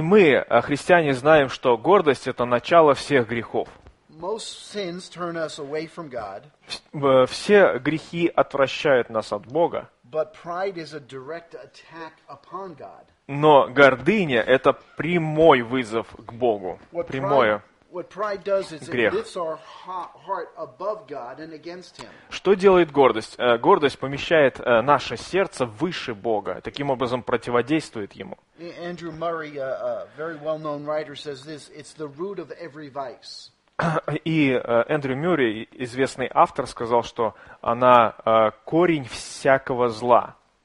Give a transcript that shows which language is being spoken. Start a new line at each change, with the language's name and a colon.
Russian: мы, христиане, знаем, что гордость – это начало всех грехов.
English: Most sins turn us away from God.
Russian: Все грехи отвращают нас от Бога.
English: But pride is a direct attack upon God.
Russian: Но гордыня – это прямой вызов к Богу. Прямое.
English: What pride does is it lifts our heart above God and against Him.
Russian: Что делает гордость? Гордость помещает наше сердце выше Бога, таким образом противодействует Ему.
English: Andrew Murray, a very well-known writer, says this: "It's the root of every vice."
Russian: И Эндрю Мюррей, известный автор, сказал, что она корень всякого зла.